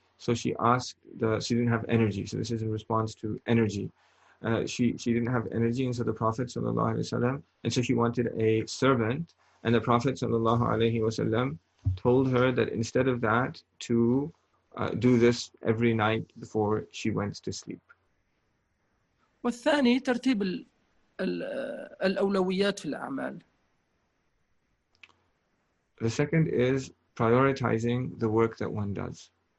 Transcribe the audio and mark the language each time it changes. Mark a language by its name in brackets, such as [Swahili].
[English] So she asked, she didn't have energy. So this is in response to energy. She didn't have energy, and so the Prophet sallallahu alaihi wasallam, and so she wanted a servant, and the Prophet sallallahu alaihi wasallam told her that instead of that, to do this every night before she went to sleep. [Arabic] والثاني ترتيب الأولويات في الأعمال. [English] The second is prioritizing the work that one does.